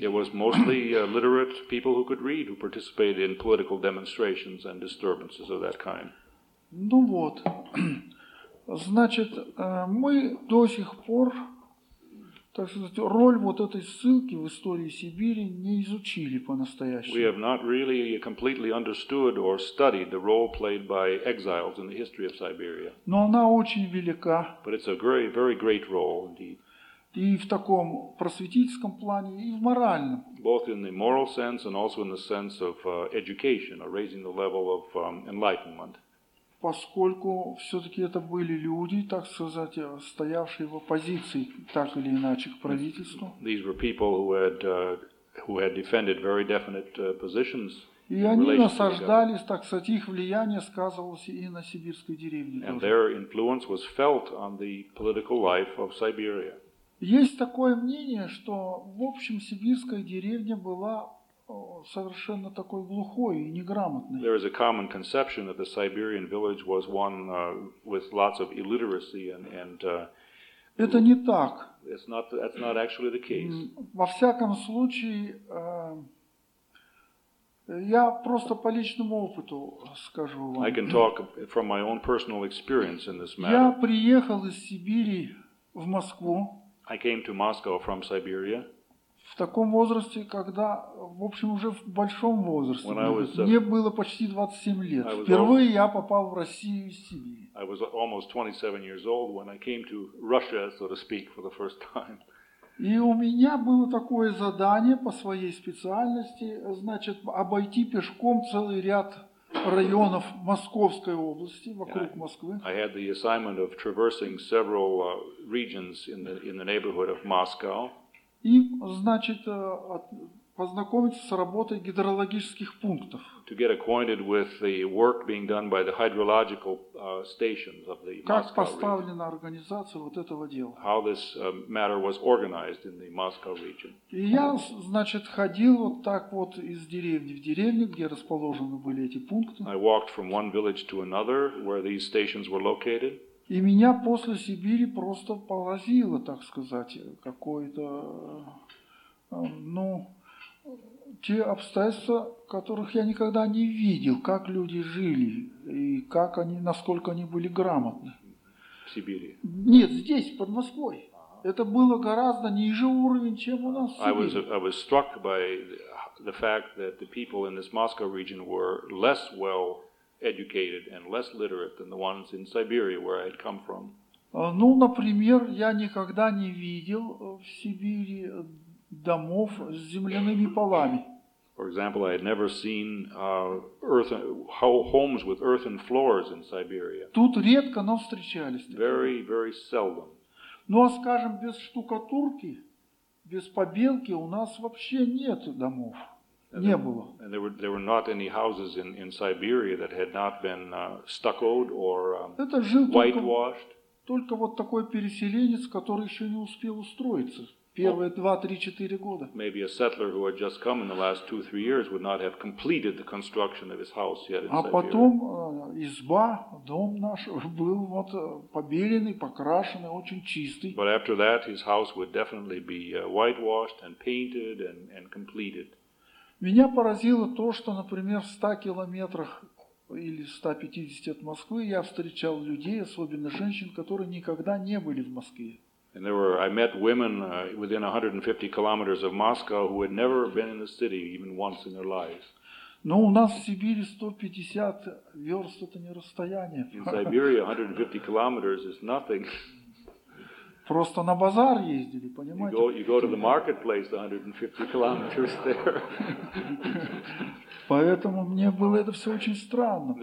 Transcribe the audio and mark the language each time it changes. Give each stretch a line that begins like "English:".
English: It was mostly literate people who could read, who participated in political demonstrations and disturbances of that kind.
Russian: Ну вот. Значит, мы до сих пор, так сказать, роль вот этой ссылки в истории Сибири не изучили по-настоящему.
English: We have not really completely understood or studied the role played by exiles in the history of Siberia.
Russian: Но она очень велика.
English: But it's a very, very great role indeed.
Russian: И в таком просветительском плане, и в моральном.
English: Both in the moral sense and also in the sense of education, or raising the level of enlightenment.
Russian: Поскольку все-таки это были люди, так сказать, стоявшие в оппозиции, так или иначе, к правительству.
English: These were people who had defended very definite positions.
Russian: И они насаждались, так сказать, их влияние сказывалось и на сибирской деревне.
English: And their influence was felt on the political life of Siberia.
Russian: Есть такое мнение, что, в общем, сибирская деревня была совершенно такой глухой и неграмотной.
English: There is a common conception that the Siberian village was one with lots of illiteracy and
Russian: это не так.
English: That's not actually the case.
Russian: Во всяком случае, я просто по личному опыту скажу вам.
English: I can talk from my own personal experience in this matter.
Russian: Я приехал из Сибири в Москву.
English: I came to Moscow from Siberia.
Russian: В таком возрасте, когда, в общем, уже в большом возрасте, мне было почти 27 лет. Впервые я попал в Россию из Сибири.
English: I was almost 27 years old when I came to Russia, so to speak, for the first time.
Russian: И у меня было такое задание по своей специальности, значит, обойти пешком целый ряд районов Московской области вокруг Москвы.
English: I had the assignment of traversing several regions in the neighborhood of Moscow.
Russian: И, значит, познакомиться с работой гидрологических пунктов.
English: To get acquainted with the work being done by the hydrological stations of the Moscow region.
Russian: Как поставлена организация вот этого дела?
English: How this matter was organized in the Moscow region.
Russian: И я, значит, ходил вот так вот из деревни в деревню, где расположены были эти пункты.
English: I walked from one village to another where these stations were located.
Russian: И меня после Сибири просто поразило, так сказать, какое-то, ну, те обстоятельства, которых я никогда не видел, как люди жили и как они, насколько они были грамотны. В Сибири? Нет, здесь, под Москвой. Это было гораздо ниже уровень, чем у нас в Сибири.
English: I was struck by the fact that the people in this Moscow region were less well educated and less literate than the ones in Siberia, where I had come from.
Russian: Ну, например, я никогда не видел в Сибири домов с земляными полами.
English: For example, I had never seen homes with earthen floors in Siberia.
Russian: Тут редко, но встречались.
English: Very, very seldom.
Russian: Ну, а скажем, без штукатурки, без побелки у нас вообще нет домов. Не было.
English: And there were not any houses in Siberia that had not been stuccoed or whitewashed.
Russian: Только вот такой переселенец, который еще не успел устроиться. Первые 2-3-4 года.
English: Maybe a settler who had just come in the last 2-3 years would not have completed the construction of his house yet in Siberia.
Russian: А потом изба, дом наш был вот побеленный, покрашенный, очень чистый.
English: But after that, his house would definitely be whitewashed and painted and completed.
Russian: Меня поразило то, что, например, в 100 километрах или 150 от Москвы я встречал людей, особенно женщин, которые никогда не были в Москве.
English: And there were, I met women within 150 kilometers of Moscow who had never been in the city even once in their lives.
Russian: Но у нас в Сибири 150 верст – это не расстояние.
English: In Siberia, 150 kilometers is nothing.
Russian: Просто на базар ездили, понимаете?
English: You go to the marketplace 150 kilometers there.
Russian: Поэтому мне было это все очень странно.